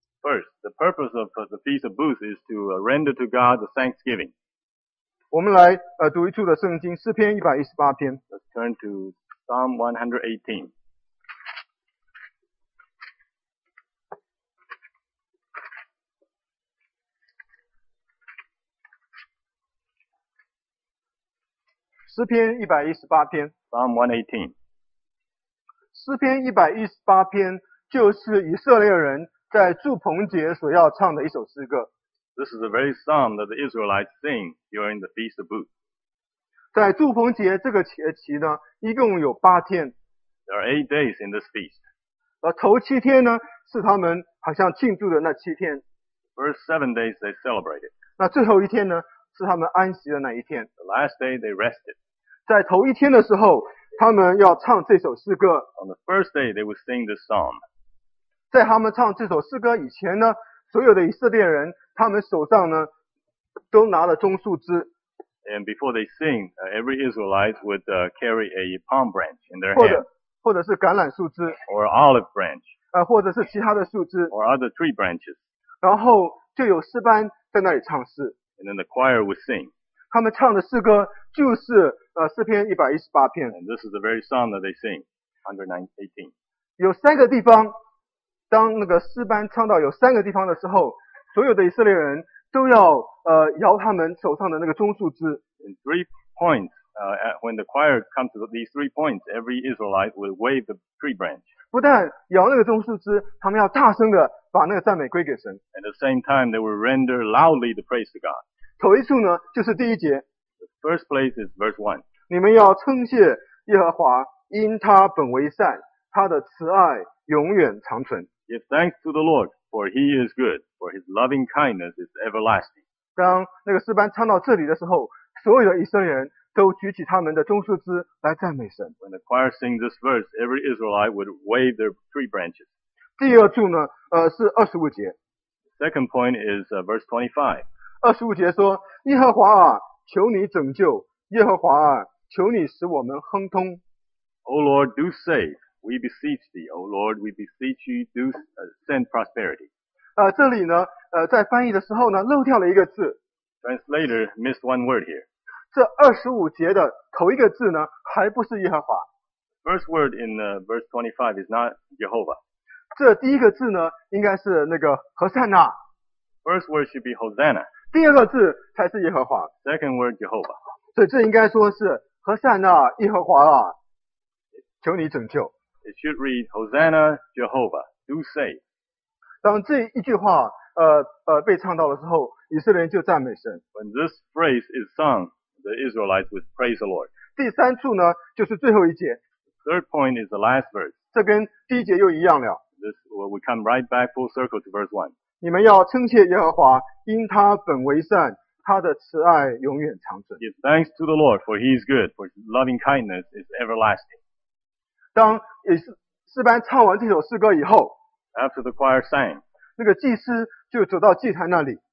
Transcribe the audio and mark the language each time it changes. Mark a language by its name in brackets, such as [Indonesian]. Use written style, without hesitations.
[English] First, the purpose of the Feast of Booth is to render to God the thanksgiving. [Chinese] 我们来读一处的圣经，诗篇118篇。 [English] Let's turn to Psalm 118. [Chinese] 诗篇118篇。 [English] Psalm 118. [Chinese] 诗篇118篇就是以色列人在祝棚节所要唱的一首诗歌。 [English] This is the very psalm that the Israelites sing during the Feast of Booth. [Chinese] 在祝棚节这个节期呢，一共有八天。 [English] There are 8 days in this feast. [Chinese] 头七天呢，是他们好像庆祝的那七天。 [English] The first 7 days they celebrated. [Chinese] 那最后一天呢，是他们安息的那一天。 [English] The last day they rested. [Chinese] 在头一天的时候，他们要唱这首诗歌。 [English] On the first day they would sing this psalm. [Chinese] 在他们唱这首诗歌以前呢，所有的以色列人他们手上呢都拿了棕树枝。 [English] And before they sing, every Israelite would carry a palm branch in their hand. [Chinese] 或者是橄榄树枝。 [English] Or olive branch. [Chinese] 或者是其他的树枝。 [English] Or other tree branches. [Chinese] 然后就有诗班在那里唱诗。 [English] And then the choir would sing. [Chinese] 他们唱的诗歌就是诗篇118篇。 [English] And this is the very psalm that they sing, 118. [Chinese] 有三个地方，当那个诗班唱到有三个地方的时候，所有的以色列人都要摇他们手上的那个棕树枝。 [English] In three points, when the choir comes to these three points, every Israelite will wave the tree branch. [Chinese] 不但摇那个棕树枝，他们要大声的把那个赞美归给神。 [English] At the same time, they will render loudly the praise to God. [Chinese] 头一处呢，就是第一节。 [English] The first place is verse one. [Chinese] 你们要称谢耶和华，因他本为善，他的慈爱永远长存。 [English] Give thanks to the Lord, for he is good, for his loving kindness is everlasting. [Chinese] 当那个诗班唱到这里的时候，所有的以色列人都举起他们的棕树枝来赞美神。 [English] When the choir sings this verse, every Israelite would wave their tree branches. [Chinese] 第二处呢，是二十五节。 [English] Second point is verse 25. [Chinese] 二十五节说，耶和华啊，求你拯救，耶和华啊，求你使我们亨通。 [English] O Lord, do save. We beseech thee, O Lord, we beseech you, do send prosperity. [Chinese] 这里呢，在翻译的时候呢，漏掉了一个字。 [English] Translator missed one word here. [Chinese] 这二十五节的头一个字呢，还不是耶和华。 [English] First word in verse 25 is not Jehovah. [Chinese] 这第一个字呢，应该是那个何塞纳。 [English] First word should be Hosanna. [Chinese] 第二个字才是耶和华。 [English] Second word Jehovah. [Chinese] 所以这应该说是何塞纳耶和华啊，求你拯救。 [English] It should read Hosanna Jehovah, do save. [Chinese] 当这一句话被唱到的时候，以色列人就赞美神。 [English] When this phrase is sung, the Israelites would praise the Lord. [Chinese] 第三处呢，就是最后一节。 [English] Third point is the last verse. [Chinese] 这跟第一节又一样了。 [English] This, well, we come right back full circle to verse 1. [Chinese] 你们要称谢耶和华，因他本为善，他的慈爱永远长存。 [English] Give thanks to the Lord, for he is good, for his loving kindness is everlasting. [Chinese] 当诗班唱完这首诗歌以后， [English] After the choir sang, [Chinese] 那个祭司就走到祭坛那里。